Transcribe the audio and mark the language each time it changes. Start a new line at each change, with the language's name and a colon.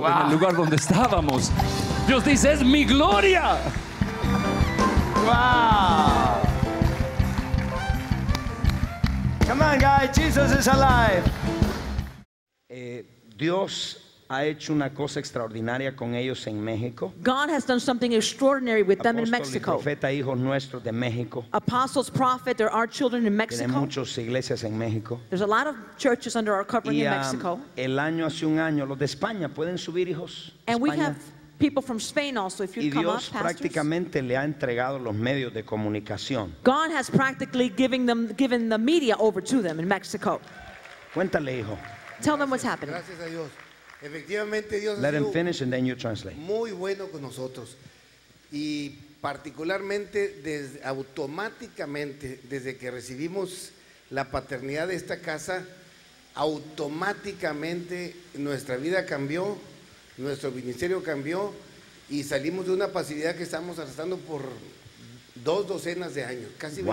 Spanish: Wow. En el lugar donde estábamos. Dios dice, es mi gloria. Wow.
English: Come on, guys, Jesus is alive.
Spanish: Dios ha hecho una cosa extraordinaria con ellos en México.
English: God has done something extraordinary with them in Mexico.
Spanish: Apóstoles, profetas, hijos nuestros de México.
English: Apostles, prophets, there are children in Mexico.
Spanish: Tienen muchas iglesias en México.
English: There's a lot of churches under our covering in Mexico.
Spanish: El año hace un año, los de España pueden subir, hijos.
English: And we have people from Spain also, if you come
Spanish: Dios
English: up, pastors.
Spanish: Prácticamente le ha entregado los medios de comunicación.
English: God has practically given the media over to them in Mexico.
Spanish: Cuéntale, hijo.
English: Tell them what's happening.
Spanish: Gracias a Dios. Efectivamente, Dios.
English: Let him finish and then you translate.
Spanish: Muy bueno con nosotros. Y particularmente desde, automáticamente desde que recibimos la paternidad de esta casa, automáticamente nuestra vida cambió, nuestro ministerio cambió y salimos de una pasividad que estamos arrastrando por dos docenas de años, casi